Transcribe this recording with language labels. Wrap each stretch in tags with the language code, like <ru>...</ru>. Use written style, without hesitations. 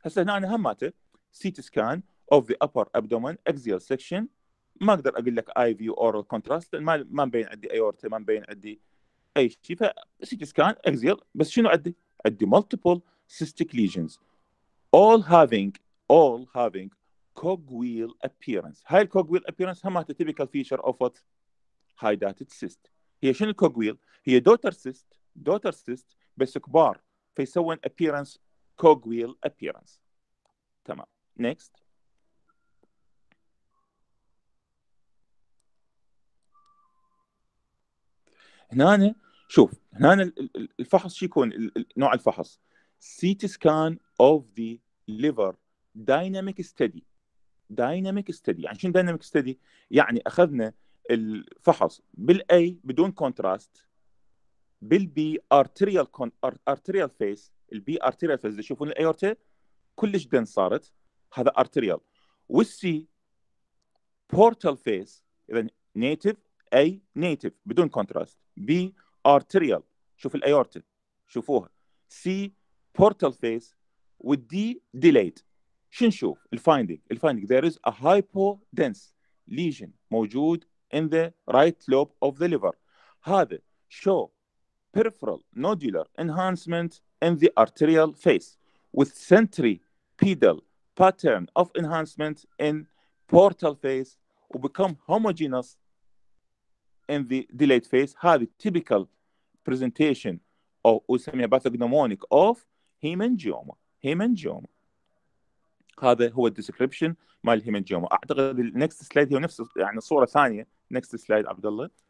<ar>هسه هنا انا همته سي تي سكان اوف ذا ابر ابدومن اكزيال سكشن، ما اقدر اقول لك اي في اورال كونتراست، ما مبين عندي ايورتا، ما مبين عندي اي شيء. فسي تي سكان اكزيال، بس شنو عندي؟ عندي</ar> <en>multiple cystic lesions all having cogwheel appearance. هاي cogwheel appearance هم هاته typical feature of what hydatid cyst.</en> <ar>هي شنو cogwheel؟ هي</ar> <en>daughter cyst</en> <ar>بس كبار، فيسوين appearance cogwheel appearance. تمام. next.</ar> <en>هنا شوف هنا الفحص شو يكون نوع الفحص؟ CT scan of the liver dynamic study.</en> <ar>dynamic study يعني شنو dynamic study؟ يعني أخذنا الفحص بالA بدون contrast، بالB</ar> <en>arterial phase،</en> <ar>الB arterial phase تشوفون الأيورتا كلش دن صارت، هذا arterial.</ar> <en>والC portal phase، إذا native A native بدون contrast، B arterial شوف الايورتا شوفوها، سي portal phase والدي delayed.</en> <ar>شو نشوف الفايندينج؟</ar> <en>there is a hypodense lesion موجود in the right lobe of the liver. هذا show peripheral nodular enhancement in the arterial phase with centripetal pattern of enhancement in portal phase and become homogeneous in the delayed phase. هذه typical presentation أو أسميها pathognomonic of hemangioma.</en> <ar>hemangioma هذا هو description مع الهيمنجيوما. أعتقد ال next slide هي نفس يعني صورة ثانية. next slide عبد الله.</ar>